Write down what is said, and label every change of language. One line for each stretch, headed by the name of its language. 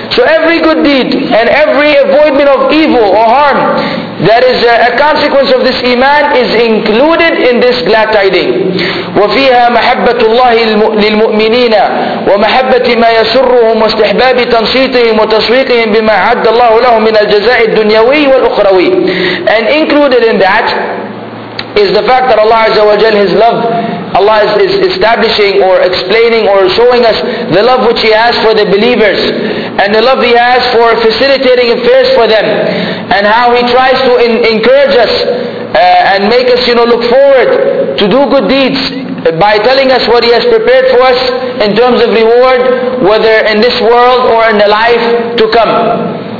English: So every good deed and every avoidment of evil or harm that is a consequence of this iman is included in this glad tiding.
Arabic: وفيها محبة الله للمؤمنين ومحبة ما يسرهم واستحباب تنصيتهم وتسويقهم بما عد الله لهم من الجزاء الدنيوي والأخروي.
English: And included in that is the fact that Allah Azza wa Jal, His love, Allah is establishing or explaining or showing us the love which He has for the believers and the love He has for facilitating affairs for them, and how He tries to encourage us and make us, you know, look forward to do good deeds by telling us what He has prepared for us in terms of reward, whether in this world or in the life to come.